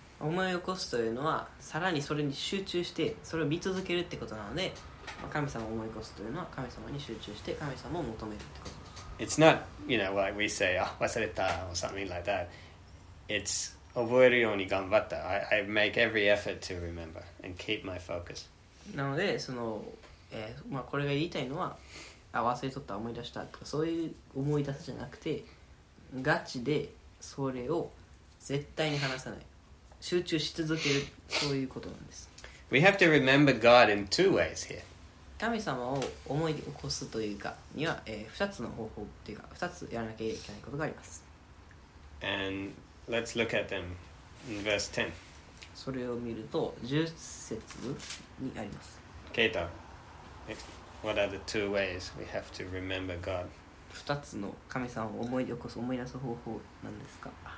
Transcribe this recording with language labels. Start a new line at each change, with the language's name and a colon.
Japanese: 思い起こすというのはさらにそれに集中してそれを見続けるってことなので、神様を思い起こすというのは神様に集中して神様を求めるってこと。
English: It's not, you know, like we say, oh, 忘れたor something like that. It's
Japanese: 覚えるように頑張った。
English: I make every effort to remember and keep my focus.
Japanese: なのでその、まあ、これが言いたいのは、あ、忘れとった、思い出したとか、そういう思い出さじゃなくて、ガチでそれを絶対に話さない、集中し続ける、そういうことなんです。
English: We have to remember God in two ways here.
Japanese: 神様を思い起こすというかには、2つの方法というか、2つやらなきゃいけないことがあります。
English: AndLet's look at them in verse 10.
Japanese: それを見ると10節にあります。
English: Keita, what are the two ways we have to remember God?
Japanese: 2つの神様を思い起こす、思い出す方法なんですか？